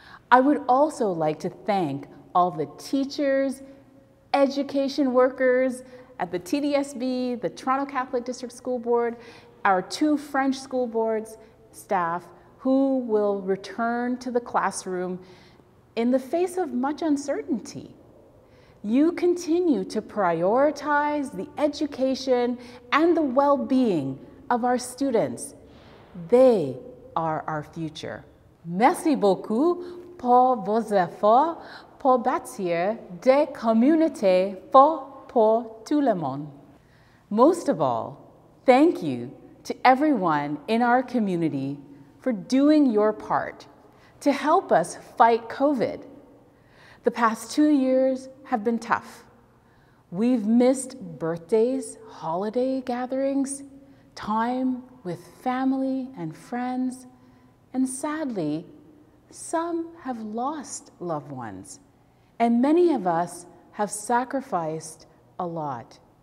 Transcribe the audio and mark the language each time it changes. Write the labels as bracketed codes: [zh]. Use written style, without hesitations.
[en] I would also like to thank all the teachers, education workers, at the TDSB, the Toronto Catholic District School Board, our two French school boards staff who will return to the classroom in the face of much uncertainty. you continue to prioritize the education and the well-being of our students. They are our future. [fr] Merci beaucoup pour vos efforts pour bâtir des communautés fortes pour tout le monde. [en] Most of all, thank you to everyone in our community for doing your part to help us fight COVID. The past 2 years have been tough. We've missed birthdays, holiday gatherings, time with family and friends, and sadly, some have lost loved ones, and many of us have sacrificed a lot.